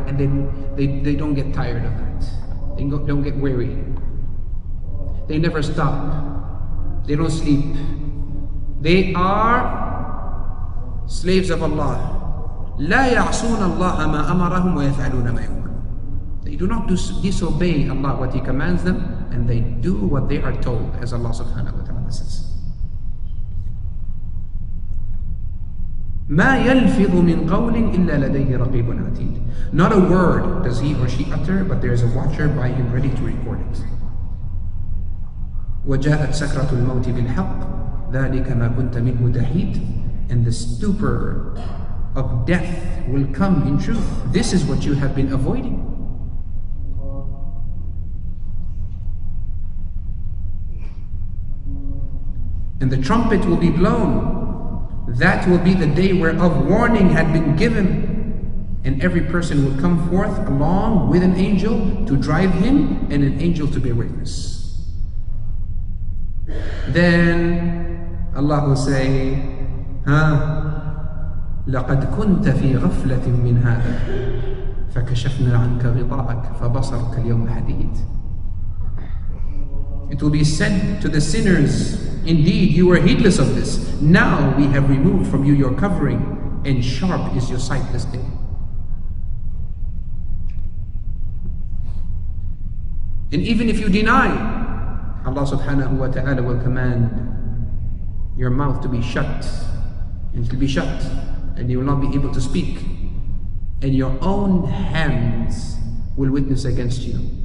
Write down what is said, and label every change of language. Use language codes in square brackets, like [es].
[en] And they don't get tired of that. They don't get weary. They never stop. They don't sleep. They are slaves of Allah. [ar] لا يعصون الله ما أمرهم ويفعلون ما يؤمرون. [en] They do not disobey Allah what He commands them, and they do what they are told, as Allah subhanahu wa ta'ala says. [ar] ما يلفظ من قول إلا لديه رقيب عتيد. [en] Not a word does he or she utter, but there is a watcher by him ready to record it. [ar] وجاءت سكرة الموت بالحق. ذلك ما كنت منه تحيد. [en] And the stupor of death will come in truth. This is what you have been avoiding. And the trumpet will be blown. That will be the day whereof warning had been given. And every person will come forth along with an angel to drive him and an angel to bear witness. Then Allah will say, huh? [ar] لقد كنت في غفلة من هذا فكشفنا عنك غطاءك فبصرك اليوم حديد. [en] It will be said to the sinners, indeed, you were heedless of this. Now we have removed from you your covering, and sharp is your sight this day. And even if you deny, Allah subhanahu wa ta'ala will command your mouth to be shut, and it will be shut, and you will not be able to speak, and your own hands will witness against you.